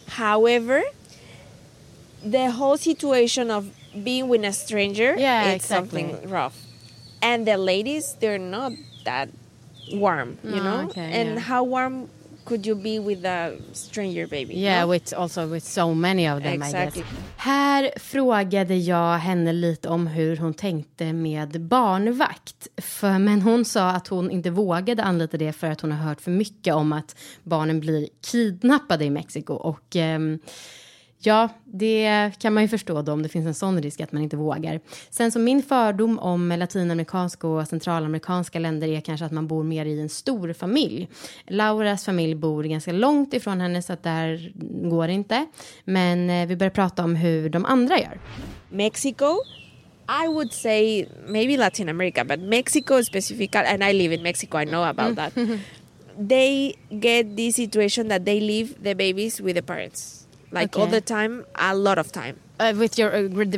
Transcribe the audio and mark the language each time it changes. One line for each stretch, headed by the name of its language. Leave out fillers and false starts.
English: However, the whole situation of being with a stranger, something rough. And the ladies, they're not that warm, you know? Okay, and how warm could you be with a stranger baby? Yeah, no? with so many of them, exactly. I guess.
Swedish: Här frågade jag henne lite om hur hon tänkte med barnvakt. Men hon sa att hon inte vågade anlita det för att hon har hört för mycket om att barnen blir kidnappade i Mexiko. Och... ja, det kan man ju förstå då om det finns en sån risk att man inte vågar. Sen så min fördom om latinamerikanska och centralamerikanska länder är kanske att man bor mer i en stor familj. Lauras familj bor ganska långt ifrån henne så att där går det inte. Men vi börjar prata om hur de andra gör.
English: Mexico, I would say maybe Latin America, but Mexico specifically, and I live in Mexico, I know about that. They get this situation that they leave the babies with the parents. Like all the time, a lot of time. With the grandparents.